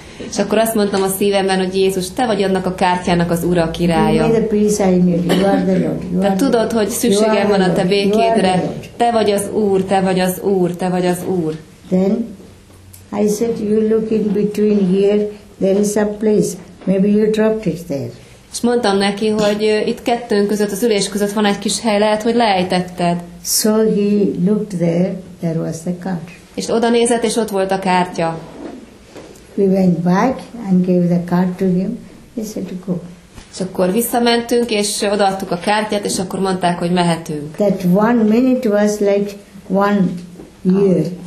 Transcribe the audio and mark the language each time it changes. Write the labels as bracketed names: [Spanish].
[Hungarian] És akkor azt mondtam a szívemben, hogy Jézus, te vagy annak a kártyának az ura, a királya. [English] Give me the peace I need. You are the Lord. [Hungarian] Te tudod, hogy szükségem van a te békédre. Te vagy az Úr, te vagy az Úr, te vagy az Úr. [English] Then I said, you look in between here, there is a place, maybe you dropped it there. [Hungarian] És mondtam neki, hogy itt kettőnk között, az ülés között van egy kis hely, lehet, hogy leejtetted. [English] So he looked there was the card. [Hungarian] És oda nézett, és ott volt a kártya. [English] We went back and gave the card to him, he said to go. [Hungarian] És akkor visszamentünk, és odaadtuk a kártyát, és akkor mondták, hogy mehetünk. [English] That 1 minute was like 1 year.